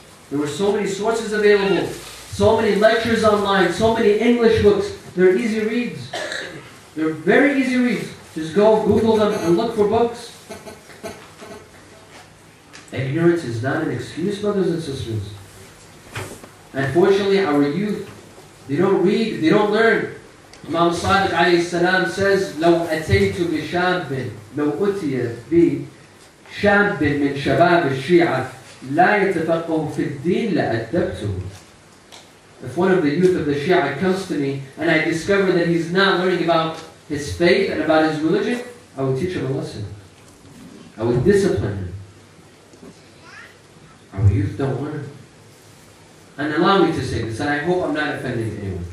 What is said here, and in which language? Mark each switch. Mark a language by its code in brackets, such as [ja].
[en] There were so many sources available, so many lectures online, so many English books. They're easy reads. They're very easy reads. Just go Google them and look for books. Ignorance is not an excuse, brothers and sisters. Unfortunately, our youth, they don't read, they don't learn. Imam Sadiq alayhi salam says, [ar] لو أتيت بشاب لو أتي بشاب من شباب الشيعة لا يتفقه في الدين لأدبته. [en] If one of the youth of the Shia comes to me and I discover that he's not learning about his faith and about his religion, I would teach him a lesson. I would discipline him. Our youth don't learn. And allow me to say this, and I hope I'm not offending anyone.